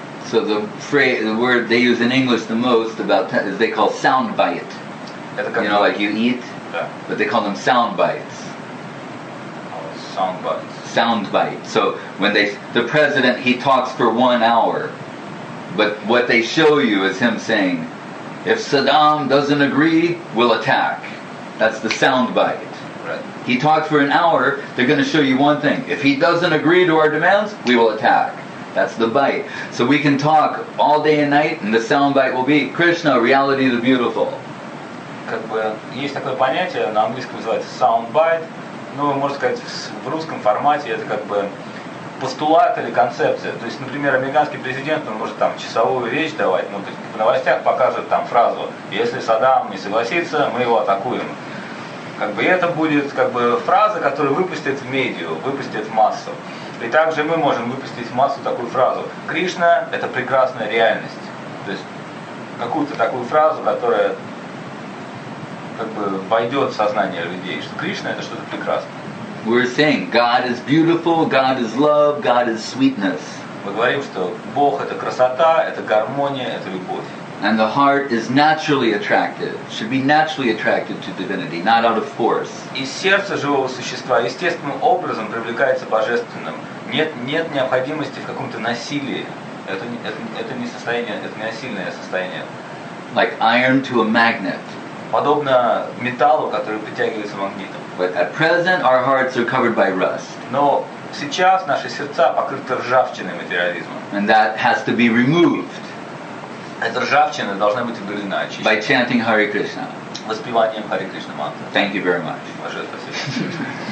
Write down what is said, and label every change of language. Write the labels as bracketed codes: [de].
[en] So the phrase, the word they use in English the most about is they call soundbite. [ru] Это как [en] you know, like you eat, yeah. But they call them soundbites. Oh, soundbites. Soundbite. So when the president he talks for 1 hour, but what they show you is him saying, if Saddam doesn't agree, we'll attack. That's the sound bite. Right. He talked for an hour, they're going to show you one thing. If he doesn't agree to our demands, we will attack. That's the bite. So we can talk all day and night, and the sound bite will be, Krishna, reality is beautiful. [ru] Как бы, есть такое понятие, на английском называется sound bite. Ну, можно сказать, в русском формате это как бы постулат или концепция. То есть, например, американский президент, он может там часовую речь давать, ну, то есть в новостях покажет там фразу, если Саддам не согласится, мы его атакуем. Как бы это будет как бы фраза, которую выпустят в медиа, выпустят в массу. И также мы можем выпустить в массу такую фразу. Кришна – это прекрасная реальность. То есть какую-то такую фразу, которая как бы войдет в сознание людей, что Кришна – это что-то прекрасное. [en] We're saying God is beautiful, God is love, God is sweetness. [ru] Мы говорим, что Бог это красота, это гармония, это любовь. [en] And the heart is naturally attracted, should be naturally attracted to divinity, not out of force. [ru] И сердце живого существа естественным образом привлекается божественным. Нет необходимости в каком-то насилии. Это не состояние, это не насильное состояние. [en] Like iron to a magnet. [ru] Подобно металлу, который притягивается магнитом. [en] But at present, our hearts are covered by rust. [ru] Но сейчас наши сердца покрыты ржавчиной материализма. [en] And that has to be removed. [ru] Эта ржавчина должна быть удалена, очищена. [en] By chanting Hare Krishna. [ru] Воспеванием Hare Krishna мантры. [en] Thank you very much. [ru] Ваше спасибо.